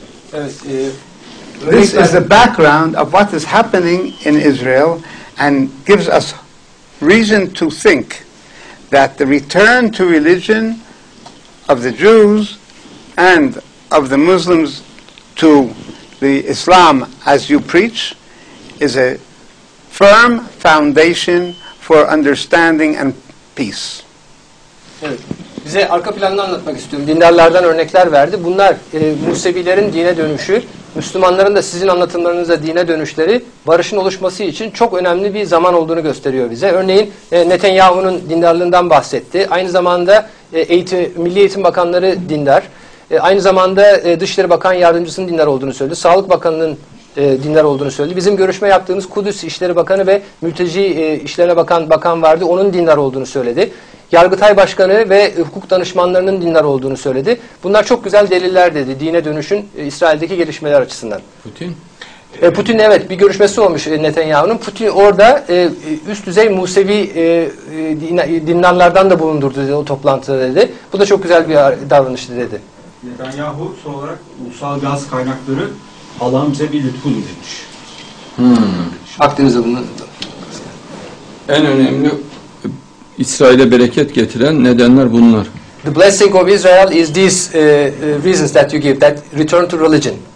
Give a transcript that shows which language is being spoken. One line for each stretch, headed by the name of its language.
English: This is the background of what is happening in Israel and gives us reason to think that the return to religion of the Jews and of the Muslims to the Islam as you preach is a firm foundation for understanding and peace.
Turkish: Evet. Bize arka planını anlatmak istiyorum. Dindarlardan örnekler verdi. Bunlar Musevilerin dine dönüşü, Müslümanların da sizin anlatımlarınızda dine dönüşleri barışın oluşması için çok önemli bir zaman olduğunu gösteriyor bize. Örneğin Netanyahu'nun dindarlığından bahsetti. Aynı zamanda Milli Eğitim Bakanları dindar. Aynı zamanda Dışişleri Bakan Yardımcısının dindar olduğunu söyledi. Sağlık Bakanı'nın dindar olduğunu söyledi. Bizim görüşme yaptığımız Kudüs İşleri Bakanı ve Mülteci İşlerine Bakan vardı. Onun dindar olduğunu söyledi. Yargıtay Başkanı ve hukuk danışmanlarının dindar olduğunu söyledi. Bunlar çok güzel deliller dedi. Dine dönüşün İsrail'deki gelişmeler açısından. Putin evet bir görüşmesi olmuş Netanyahu'nun. Putin orada üst düzey Musevi dindarlardan da bulundurdu dedi, o toplantıda dedi. Bu da çok güzel bir davranıştı dedi. Netanyahu son olarak ulusal gaz kaynakları Allah'ım bize bir lütfu demiş. Akdeniz'de bunu. En önemli İsrail'e bereket getiren nedenler bunlar.
English: The blessing of Israel is these reasons that you give, that return to religion.